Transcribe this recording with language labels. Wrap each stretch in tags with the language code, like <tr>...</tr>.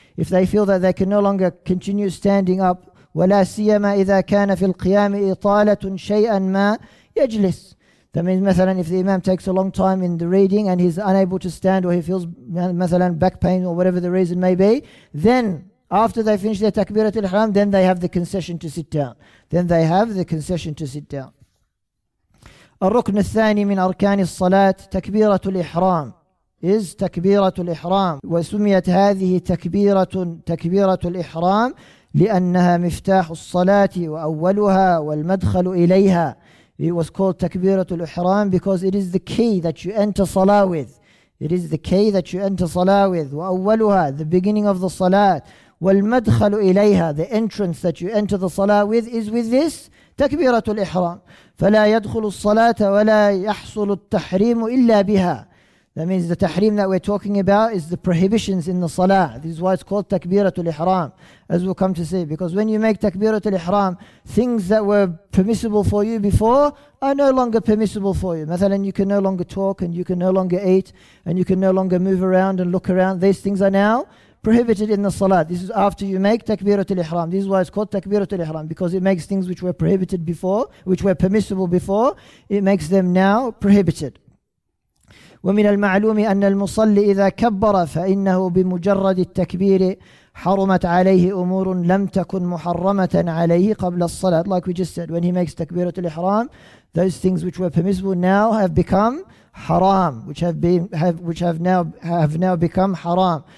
<en>If they feel that they can no longer continue standing up,</en> <ar>وَلَا سِيَمَا إِذَا كَانَ فِي الْقِيَامِ إِطَالَةٌ شَيْئًا مَا</ar> <en>يَجْلِسُ. That means, مثلاً, if the imam takes a long time in the reading and he's unable to stand, or he feels, مثلاً, back pain or whatever the reason may be, then after they finish their takbirat al-ihram, then they have the concession to sit down.</en> <ar>الركن الثاني من أركان الصلاة تكبيرة الإحرام is تكبيرة الإحرام. وسميت هذه تكبيرة الإحرام لأنها مفتاح الصلاة وأولها والمدخل إليها.</ar> <en>It was called Takbiratul Ihram because it is the key that you enter Salah with.</en> <ar>وَأَوَّلُهَا,</ar> <en>the beginning of the Salah.</en> <ar>وَالْمَدْخَلُ إِلَيْهَا,</ar> <en>the entrance that you enter the Salah with is with this Takbiratul Ihram.</en> <ar>فَلَا يَدْخُلُ الصَّلَاةَ وَلَا يَحْصُلُ التَّحْرِيمُ إِلَّا بِهَا.</ar> <en>That means the tahrim that we're talking about is the prohibitions in the salah. This is why it's called takbeeratul ihraam, as we'll come to see. Because when you make takbeeratul ihraam, things that were permissible for you before are no longer permissible for you. Mathalan, you can no longer talk, and you can no longer eat, and you can no longer move around and look around. These things are now prohibited in the salah. This is after you make takbeeratul ihraam. This is why it's called takbeeratul ihraam, because it makes things which were prohibited before, which were permissible before, it makes them now prohibited.</en> <ar>ومن المعلوم أن المصلي إذا كبر فإنه بمجرد التكبير حرمت عليه أمور لم تكن محرمة عليه قبل الصلاة.</ar> <en>Like we just said, when he makes تكبيرة الإحرام, those things which were permissible now have become حرام, which have now become حرام.</en>